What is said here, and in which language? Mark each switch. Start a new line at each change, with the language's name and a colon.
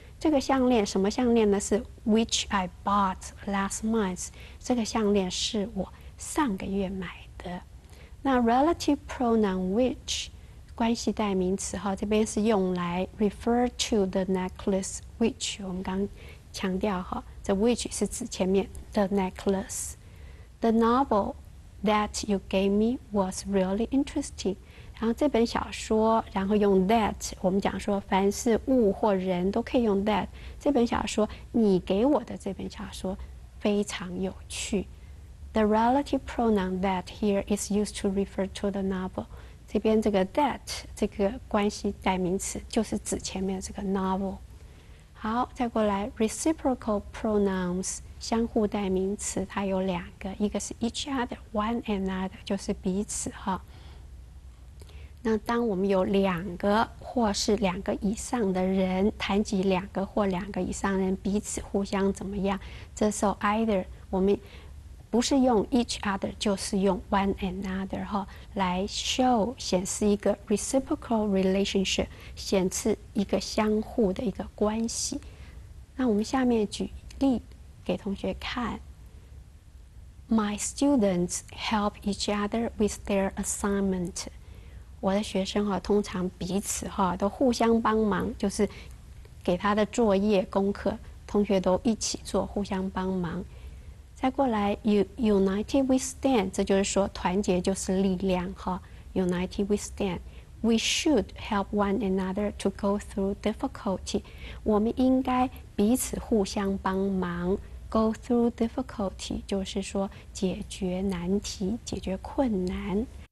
Chinese: 这个项链什么项链呢，是
English: which I bought last month，
Chinese: 这个项链是我上个月买的。那 relative pronoun which 关系代名词哈，这边是用来
English: refer to the necklace which，
Chinese: 我们刚强调哈，这 which 是指前面的 necklace。
English: The novel that you gave me was really interesting。
Chinese: 然后这本小说，然后用 that， 我们讲说凡是物或人都可以用 that， 这本小说你给我的这本小说非常有趣。
English: The relative pronoun that here is used to refer to the novel，
Chinese: 这边这个 that 这个关系代名词就是指前面这个 novel。好，再过来 reciprocal pronouns，相互代名词，它有两个，一个是 each other， one another， 就是彼此哈。那当我们有两个或是两个以上的人谈及两个或两个以上人彼此互相怎么样，这时候 either 我们不是用 each other， 就是用 one another 哈，来 show 显示一个
English: reciprocal relationship，
Chinese: 显示一个相互的一个关系。那我们下面举例给同学看。
English: My students help each other with their assignment，
Chinese: 我的学生通常彼此都互相帮忙，就是给他的作业功课同学都一起做，互相帮忙。再过来
English: United we stand，
Chinese: 这就是说团结就是力量 United we stand。
English: We should help one another to go through difficulty，
Chinese: 我们应该彼此互相帮忙。
English: Go through difficulty，
Chinese: 就是说解决难题，解决困难。